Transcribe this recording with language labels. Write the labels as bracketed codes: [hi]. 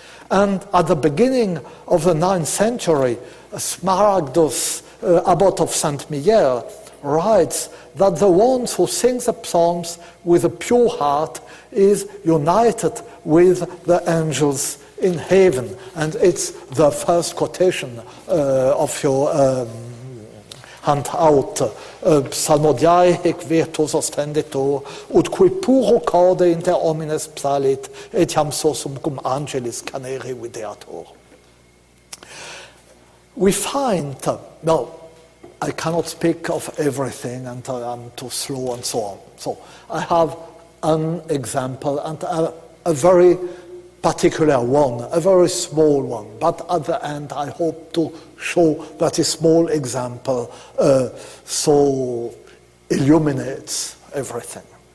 [en] And at the beginning of the 9th century, Smaragdus, abbot of Saint Miguel, writes that the one who sings the Psalms with a pure heart is united with the angels in heaven. And it's the first quotation of your handout. [la] Psalmodiae hic virtus ostendito, ut qui puro corde inter omnes psalit, etiam sosum cum angelis canere videatur. [en] We find, I cannot speak of everything and I'm too slow and so on. So I have an example and a very particular one, a very small one, but at the end I hope to show that a small example so illuminates everything.